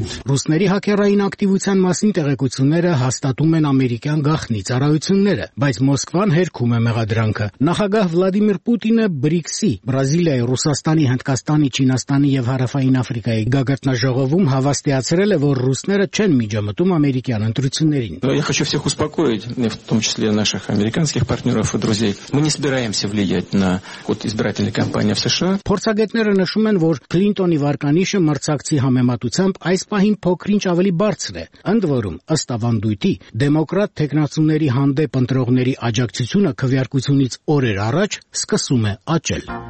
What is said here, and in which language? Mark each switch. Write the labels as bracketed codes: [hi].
[hy] Ռուսների հակերային ակտիվության մասին տեղեկությունները հաստատում են ամերիկյան գաղտնի ծառայությունները, բայց Մոսկվան հերքում է մեղադրանքը։ Նախագահ Վլադիմիր Պուտինը BRICS-ի, Բրազիլիայի, Ռուսաստանի, Հնդկաստանի, Չինաստանի եւ Հարավային Աֆրիկայի գագաթնաժողովում հավաստիացրել է, որ ռուսները չեն միջամտում ամերիկյան ընտրություններին։ [ru] Я хочу всех успокоить, в том числе наших американских партнёров и друзей. Мы не собираемся влиять на ход избирательной кампании в США. [hy] Փորձագետները նշում են, որ Քլինտոնի վարկանիշը մրցակցի համեմատությամբ այս պահին փոքրինչ ավելի բարձր է։ Ընդ որում, ըստ ավանդույթի, դեմոկրատ թեկնածուների հանդեպ ընտրողների աջակցությունը քվեարկությունից օրեր առաջ սկսում է աճել։